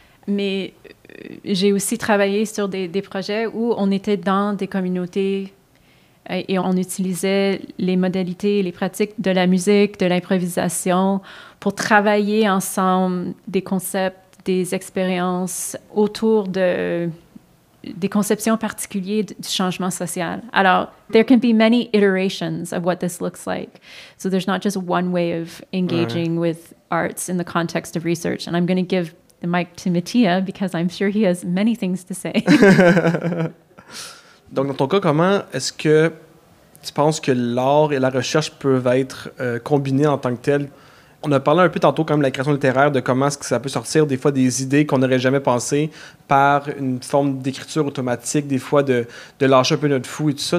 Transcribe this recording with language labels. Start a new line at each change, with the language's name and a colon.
French: Mais j'ai aussi travaillé sur des projets où on était dans des communautés et on utilisait les modalités, les pratiques de la musique, de l'improvisation pour travailler ensemble des concepts, des expériences autour des conceptions particulières du changement social.
English: Alors, there can be many iterations of what this looks like. So there's not just one way of engaging mm-hmm. with arts in the context of research. And I'm going to give the mic to Mattia, because I'm sure he has many things to say.
French: Donc, dans ton cas, comment est-ce que tu penses que l'art et la recherche peuvent être combinés en tant que tels? On a parlé un peu tantôt quand même de la création littéraire, de comment est-ce que ça peut sortir des fois des idées qu'on n'aurait jamais pensées par une forme d'écriture automatique, des fois de lâcher un peu notre fou et tout ça.